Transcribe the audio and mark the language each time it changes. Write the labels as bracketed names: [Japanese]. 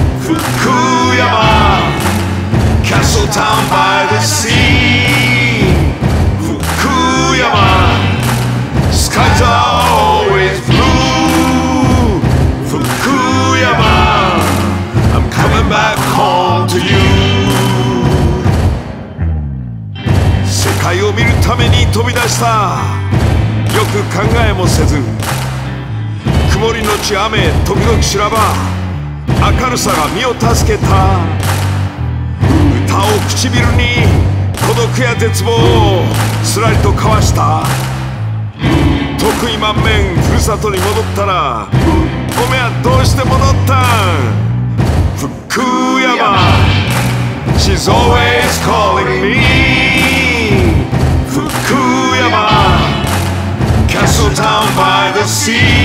[English] Fukuyama, castle town by the sea. Fukuyama, skies are always blue. Fukuyama, I'm coming back home to you. [Japanese] 世界を見るために飛び出した。よく考えもせず、曇りのち雨時々白場、明るさが身を助けた。歌を唇に孤独や絶望をすらりと交わした。得意満面ふるさとに戻ったら、おめはどうして戻ったん。 [English] 福山 She's always calling me. 福山 Castle town by the sea.